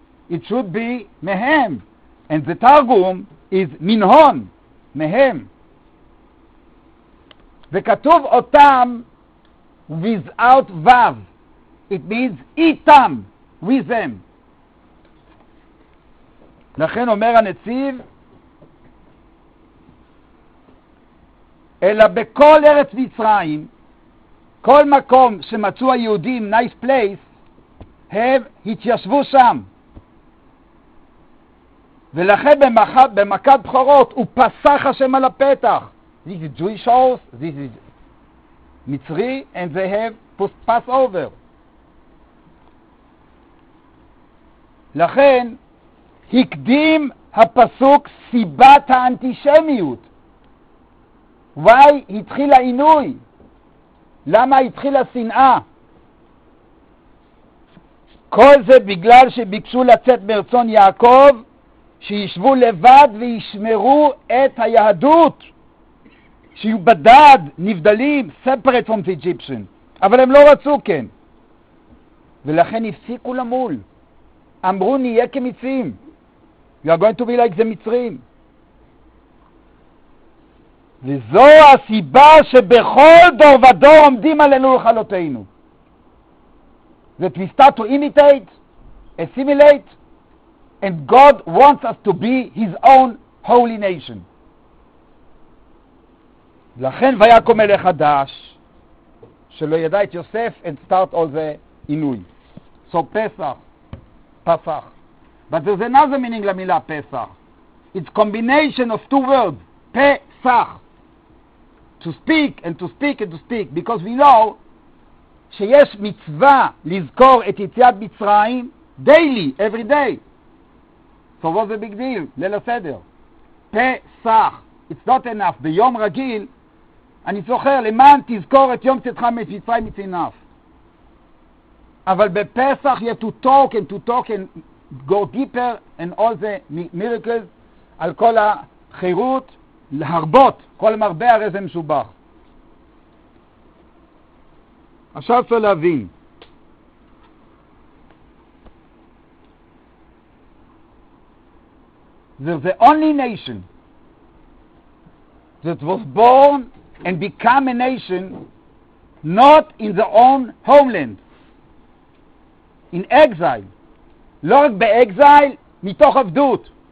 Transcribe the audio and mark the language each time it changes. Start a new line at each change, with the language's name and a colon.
English: It should be מהם. And the Targum is מנהון.
Hebrew: מהם. וכתוב אותם without וו.
English: It means איתם. With them.
Hebrew: לכן אומר הנציב, אלא בכל ארץ מצרים, כל מקום שמצאו היהודים,
English: nice place,
Hebrew: הם התיישבו שם. ולכן במכת בכורות, הוא פסח השם על הפתח.
English: This is Jewish house, this is מצרי, and they have passed over.
Hebrew: לכן, הקדים הפסוק סיבת האנטישמיות. וואי, התחיל העינוי. למה התחיל השנאה? כל זה בגלל שביקשו לצאת מרצון יעקב, שישבו לבד וישמרו את היהדות. שיהיו בדד, נבדלים,
English: separate from the Egyptian.
Hebrew: אבל הם לא רצו כן. ולכן הפסיקו למול. אמרו נהיה כמצרים.
English: You are going to be like the
Hebrew: מצרים. וזו הסיבה שבכל דור ודור עומדים עלינו לחלותינו.
English: That we start to imitate, assimilate, and God wants us to be his own holy nation.
Hebrew: לכן ויקום מלך חדש שלא ידע את יוסף
English: and start all the
Hebrew: עינוי.
English: So פסח. Pesach. But there's another meaning la mila Pesach. It's combination of two words. Pesach. To speak. Because we know
Hebrew: שיש מצווה לזכור את יציאת מצרים
English: daily, every day. So what's the big deal? ליל הסדר. Pesach. It's not enough.
Hebrew: ביום רגיל, אני זוכר, למען תזכור את יום צאתך ממצרים,
English: it's enough.
Hebrew: אבל בפסח
English: you have to talk and to talk and go deeper and all the miracles
Hebrew: על כל החירות להרבות. כל מרבה הרי זה משובח. עכשיו צריך להבין.
English: They're the only nation that was born and become a nation not in their own homeland. In exile.
Hebrew: לא רק באקזייל, מתוך עבדות.